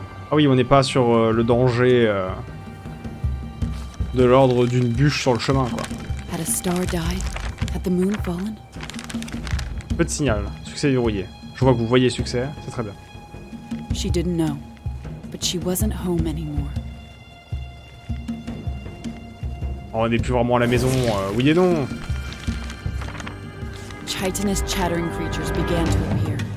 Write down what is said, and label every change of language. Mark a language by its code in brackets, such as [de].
[fr] Ah oui, on n'est pas sur le danger de l'ordre d'une bûche sur le chemin, quoi. [en] Had a star died? Had the moon fallen? [fr] Peu de signal. Succès verrouillé. Je vois que vous voyez succès. C'est très bien. [en] She didn't know, but she wasn't home anymore. [fr] Oh, on n'est plus vraiment à la maison, oui et non. [en] Chitinous chattering creatures began to appear.